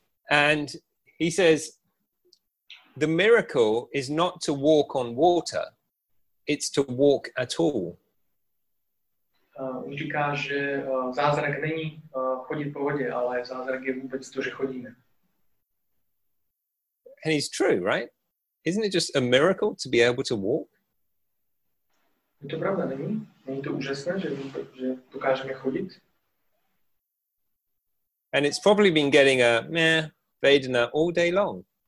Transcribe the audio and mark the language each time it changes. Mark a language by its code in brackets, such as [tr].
[en] And he says, the miracle is not to walk on water, it's to walk at all. [cs] Říká, že zázrak není chodit po vodě, ale zázrak je vůbec to, že chodíme. [en] And it's true, right? Isn't it just a miracle to be able to walk? [cs] Je to pravda, není? Není to úžasné, že dokážeme chodit? [en] And it's probably been getting a meh vedana all day long.